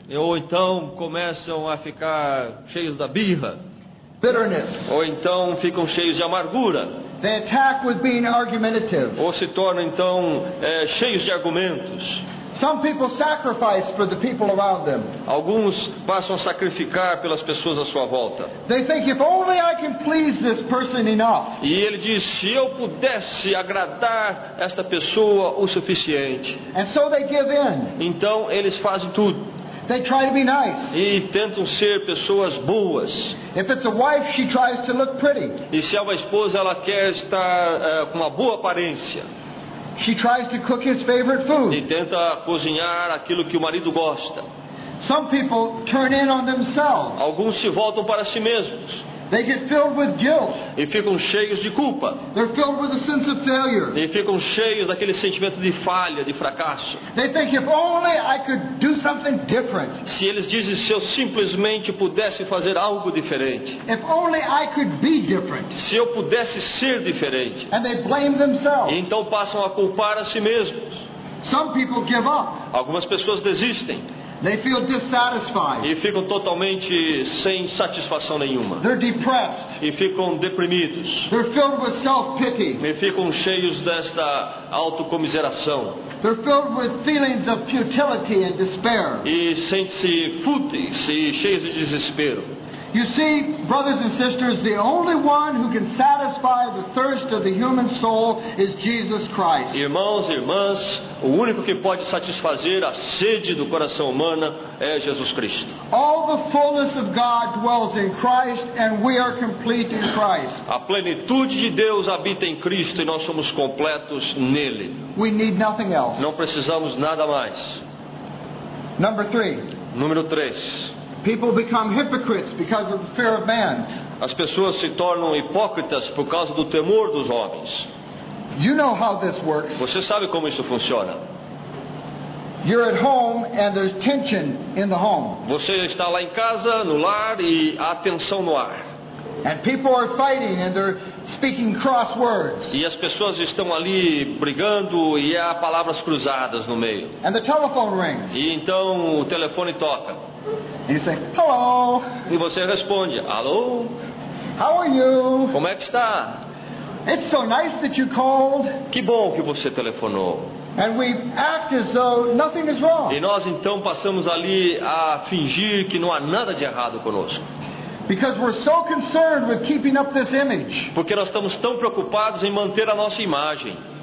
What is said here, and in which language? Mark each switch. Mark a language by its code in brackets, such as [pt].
[pt] Ou então começam a ficar cheios da birra. [en] Bitterness. [pt] Ou então ficam cheios de amargura. [en] They attack with being argumentative. [pt] Ou se tornam então cheios de argumentos. [en] Some people sacrifice for the people around them. [pt] Alguns passam a sacrificar pelas pessoas à sua volta. [en] They think, if only I can please this person enough. [pt] E ele diz, se eu pudesse agradar esta pessoa o suficiente. [en] And so they give in. [pt] Então eles fazem tudo. [en] They try to be nice. [pt] E tentam ser pessoas boas. [en] If it's a wife, she tries to look pretty. [pt] E se é uma esposa, ela quer estar com uma boa aparência. [en] She tries to cook his favorite food. [pt] E tenta cozinhar aquilo que o marido gosta. [en] Some people turn in on themselves. [pt] Alguns se voltam para si mesmos. [en] They get filled with guilt. [pt] E ficam cheios de culpa. [en] They're filled with a sense of failure. [pt] E ficam cheios daquele sentimento de falha, de fracasso. [en] They think, if only I could do something different. [pt] Se eles dizem, se eu simplesmente pudesse fazer algo diferente. [en] If only I could be different. [pt] Se eu pudesse ser diferente. [en] And they blame themselves. [pt] E então passam a culpar a si mesmos. [en] Some people give up. [pt] Algumas pessoas desistem. [en] They feel dissatisfied. [pt] E ficam totalmente sem satisfação nenhuma. [en] They're depressed. [pt] E ficam deprimidos. [en] They're filled with self-pity. [pt] E ficam cheios desta autocomiseração. [en] They're filled with feelings of futility and despair. [pt] E sentem-se fúteis e cheios de desespero. [en] You see, brothers and sisters, the only one who can satisfy the thirst of the human soul is Jesus Christ. [pt] Irmãos e irmãs, o único que pode satisfazer a sede do coração humano é Jesus Cristo. [en] All the fullness of God dwells in Christ, and we are complete in Christ. [pt] A plenitude de Deus habita em Cristo e nós somos completos nele. [en] We need nothing else. [pt] Não precisamos nada mais. [en] Number three. [pt] Número 3. [en] People become hypocrites because of the fear of man. [pt] As pessoas se tornam hipócritas por causa do temor dos homens. [en] You know how this works. [pt] Você sabe como isso funciona. [en] You're at home and there's tension in the home. [pt] Você está lá em casa, no lar, e há tensão no ar. [en] And people are fighting and they're speaking cross words. [pt] E as pessoas estão ali brigando e há palavras cruzadas no meio. [en] And the telephone rings. [pt] E então o telefone toca. [en] And you say, hello. [pt] E você responde, alô? [en] How are you? [pt] Como é que está? [en] It's so nice that you called. [pt] Que bom que você telefonou. [en] And we act as though nothing is wrong. [pt] E nós então passamos ali a fingir que não há nada de errado conosco. [en] Because we're so concerned with keeping up this image. [pt] Porque nós estamos tão preocupados em manter a nossa imagem.